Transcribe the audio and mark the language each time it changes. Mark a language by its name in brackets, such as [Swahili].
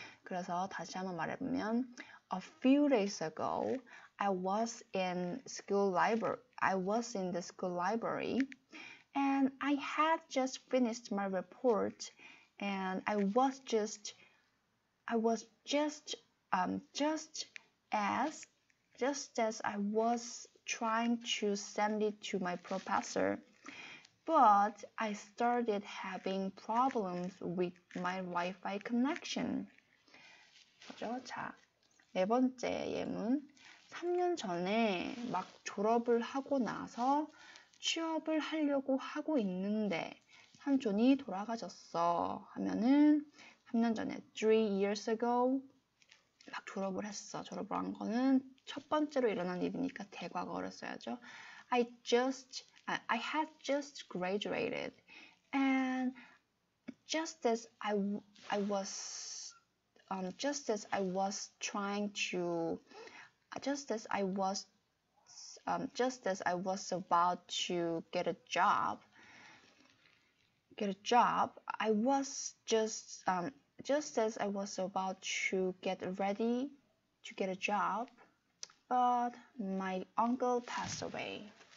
[Korean] 그래서 다시 한번 말해보면, [English] A few days ago, I was in the school library, and I had just finished my report, and I was just, just as I was trying to send it to my professor. But I started having problems with my Wi-Fi connection. [Korean] 그죠? 자, 네 번째 예문. 3년 전에 막 졸업을 하고 나서 취업을 하려고 하고 있는데 삼촌이 돌아가셨어. 하면은 3년 전에, [English] 3 years ago, [Korean] 막 졸업을 했어. 졸업을 한 거는 첫 번째로 일어난 일이니까 대과거를 써야죠. [English] I had just graduated, and just as I was, just as I was about to I was just as I was about to get ready to get a job, but my uncle passed away.